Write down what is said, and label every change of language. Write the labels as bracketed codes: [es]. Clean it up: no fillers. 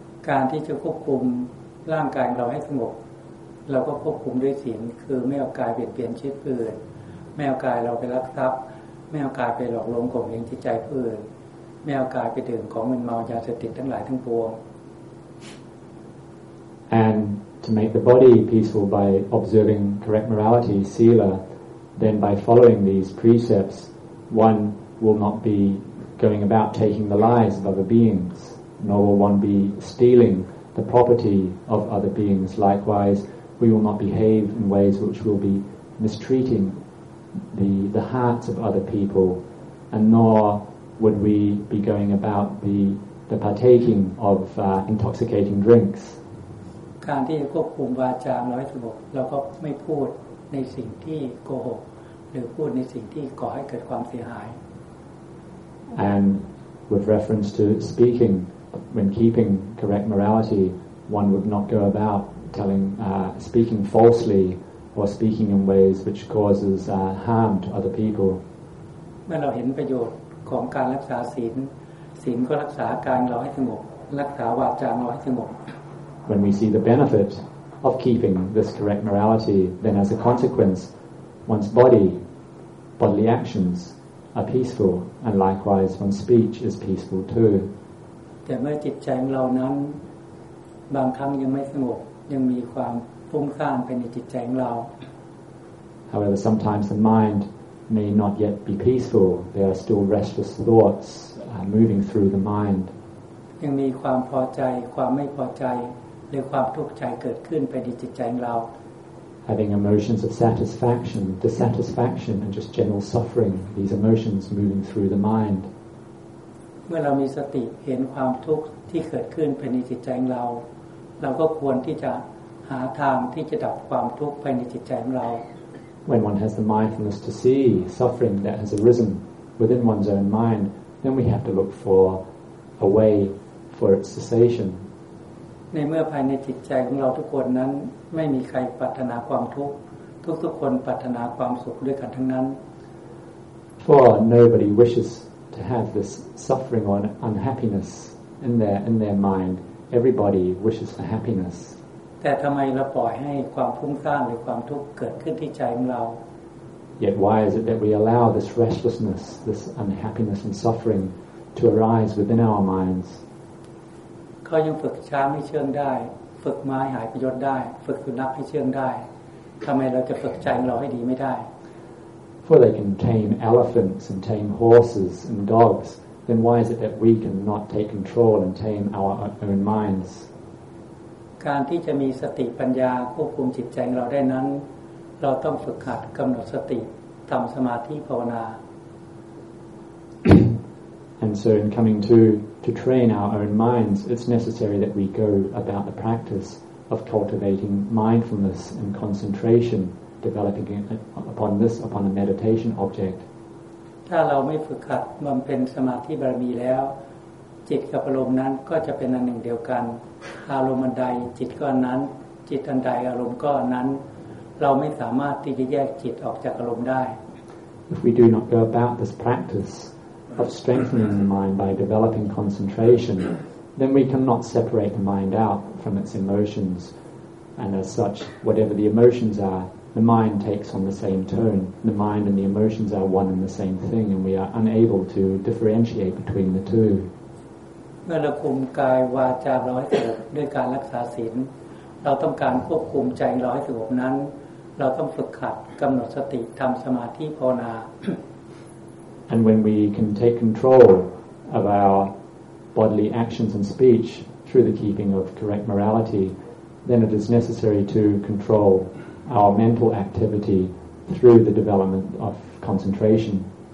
[th] การที่จะควบคุมร่างกายเราให้สงบเราก็ควบคุมด้วยศีลคือไม่เอากายเบียดเบียนชีวิตอื่นไม่เอากายเราไปลักทรัพย์ไม่เอากายไปหลอกลวงข่มเหงจิตใจผู้อื่นไม่เอากายไปดื่มของมึนเมายาเสพติดทั้งหลายทั้งปวง [en] And to make the body peaceful by observing correct morality sila then by following these precepts one will not be going about taking the lives of other beings nor will one be stealing the property of other beings likewise we will not behave in ways which will be mistreating the hearts of other people and nor would we be going about the partaking of intoxicating drinks [th] การที่จะควบคุมวาจาเราให้สงบเราก็ไม่พูดในสิ่งที่โกหกหรือพูดในสิ่งที่ก่อให้เกิดความเสียหาย [en] and with reference to speaking when keeping correct morality one would not go aboutspeaking falsely or speaking in ways which causes harm to other people [th] เมื่อเราเห็นประโยชน์ของการรักษาศีลศีลก็รักษากายเราให้สงบรักษาวาจาเราให้สงบ [en] When we see the benefit of keeping this correct morality then as a consequence one's bodily actions are peaceful and likewise one's speech is peaceful too [th] แต่เมื่อจิตใจของเรานั้นบางครั้งยังไม่สงบยังมีความฟุ้งซ่านไปในจิตใจของเรา [en] However sometimes the mind may not yet be peaceful there are still restless thoughts moving through the mind [th] ยังมีความพอใจความไม่พอใจหรือความทุกข์ใจเกิดขึ้นไปในจิตใจของเรา [en] Having emotions of satisfaction dissatisfaction and just general suffering these emotions moving through the mind [th] เมื่อเรามีสติเห็นความทุกข์ที่เกิดขึ้นภายในจิตใจของเราเราก็ควรที่จะหาทางที่จะดับความทุกข์ภายในจิตใจของเรา [en] When one has the mindfulness to see suffering that has arisen within one's own mind then we have to look for a way for its cessation [th] ในเมื่อภายในจิตใจของเราทุกคนนั้นไม่มีใครปรารถนาความทุกข์ทุกคนปรารถนาความสุขด้วยกันทั้งนั้น [en] For nobody wishes to have this suffering or unhappiness in their mindEverybody wishes for happiness. [th] แต่ทำไมเราปล่อยให้ความฟุ้งซ่านหรือความทุกข์เกิดขึ้นที่ใจของเรา [en] Yet why is it that we allow this restlessness, this unhappiness and suffering to arise within our minds? [th] เขายังฝึกช้างให้เชื่องได้ฝึกม้าหายประโยชน์ได้ฝึกสุนัขให้เชื่องได้ทำไมเราจะฝึกใจของเราให้ดีไม่ได้ [en] For they can tame elephants and tame horses and dogs. Then why is it that we cannot take control and tame our own minds? [th] การที่จะมีสติปัญญาควบคุมจิตใจของเราได้นั้นเราต้องฝึกหัดกำหนดสติทำสมาธิภาวนา [en] And so in coming to train our own minds, it's necessary that we go about the practice of cultivating mindfulness and concentration, developing upon a meditation object. [th] ถ้าเราไม่ฝึกหัดบำเพ็ญสมาธิบารมีแล้วจิตกับอารมณ์นั้นก็จะเป็นอันหนึ่งเดียวกันอารมณ์ใดจิตก็อันนั้นจิตอันใดอารมณ์ก็อันนั้นเราไม่สามารถที่จะแยกจิตออกจากอารมณ์ได้ [en] If we do not go about this practice of strengthening the mind by developing concentration, then we cannot separate the mind out from its emotions. And as such, whatever the emotions are, the mind takes on the same tone. The mind and the emotions are one and the same thing, and we are unable to differentiate between the two. [th] เมื่อเราคุมกายวาจาเราให้สงบด้วยการรักษาศีลเราต้องการควบคุมใจเราให้สงบนั้นเราต้องฝึกขัดกำหนดสติทำสมาธิภาวนา [en] And when we can take control of our bodily actions and speech through the keeping of correct morality, then it is necessary to control our mental activity through the development of concentration.